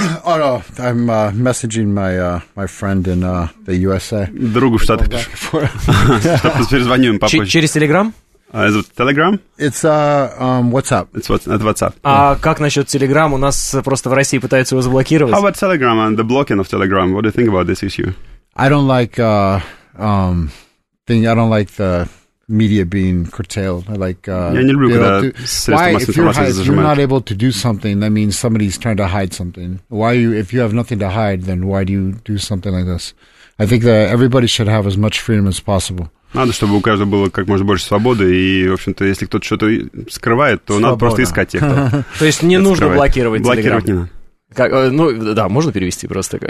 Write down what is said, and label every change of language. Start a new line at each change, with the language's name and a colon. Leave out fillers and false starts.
English: Oh, no, I'm messaging my friend in the USA.
Russian: Другу в Штатах пишу. Чтобы перезвоню им попозже. Через Telegram?
English: Is it Telegram? It's WhatsApp. It's WhatsApp.
Russian: А как насчет Telegram? У нас просто в России пытаются его заблокировать.
English: How about Telegram and the blocking of Telegram? What do you think about this issue? I don't like the media being curtailed,
Russian: я не люблю, когда
English: if you're not able to do something, that means somebody's trying to hide something. If you have nothing to hide, then why do you do something like this? I think that everybody should have as much freedom as possible.
Russian: Надо, чтобы у каждого было как можно больше свободы, и, в общем-то, если кто-то что-то скрывает, то свобода. Надо просто искать тех, кто. То есть не нужно блокировать Telegram. Блокировать не надо. Как, ну, да, можно перевести просто.